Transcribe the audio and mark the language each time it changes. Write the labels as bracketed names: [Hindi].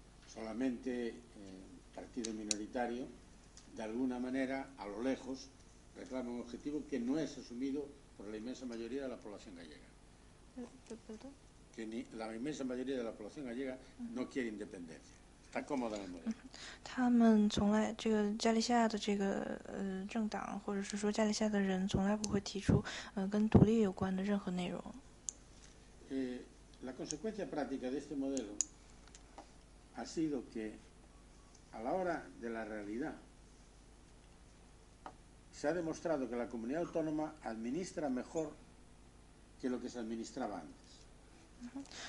[Spanish] Solamente partido minoritario de alguna manera a lo lejos reclama un objetivo que no es asumido por la inmensa mayoría de la población gallega. Que ni la inmensa mayoría de la población gallega no quiere independencia. Está cómoda la mujer. [Chinese] 他们从来这个加利西亚的这个政党或者是说加利西亚的人从来不会提出跟独立有关的任何内容。 [Spanish] La consecuencia práctica de este modelo ha sido que a la hora de la realidad se ha demostrado que la comunidad autónoma administra mejor que lo que se administraba antes.